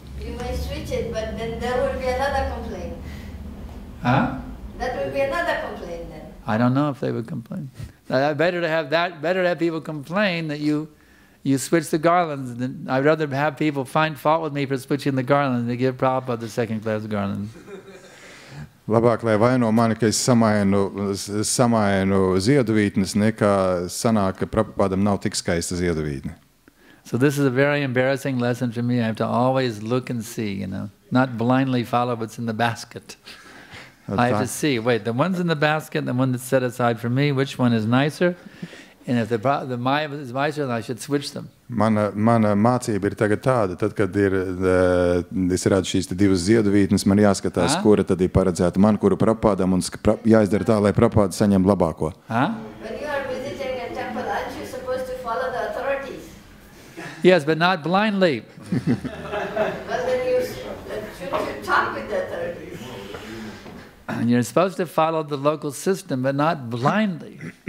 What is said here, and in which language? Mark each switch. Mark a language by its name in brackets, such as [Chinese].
[English] You may switch it, but then there will be another complaint. Huh? That would be another complaint then. I don't know if they would complain. Better to have people complain that you switch the garlands. Than, I'd rather have people find fault with me for switching the garland than give Prabhupada the second class garland. [Latvian] Labāk, lai vaino mani, ka es samainu ziedovītnes, nekā sanāk, ka Prabhupādam nav tik skaista ziedovītne. [English] So this is a very embarrassing lesson for me. I have to always look and see, you know, not blindly follow what's in the basket. I have to see, wait, the one's in the basket, the one that's set aside for me, which one is nicer? And if the Maya is nicer, then I should switch them. [Latvian] Mana mācība ir tagad tāda, tad, kad ir, es redzu šīs divas ziedovītnes, man jāskatās, kura tad ir paredzēta man, kuru Prabhupādam, un jāizdara tā, lai Prabhupāda saņem labāko. [English] When you are visiting a temple, aren't you supposed to follow the authorities? Yes, but not blindly. But then you should talk with the authorities. And you're supposed to follow the local system, but not blindly.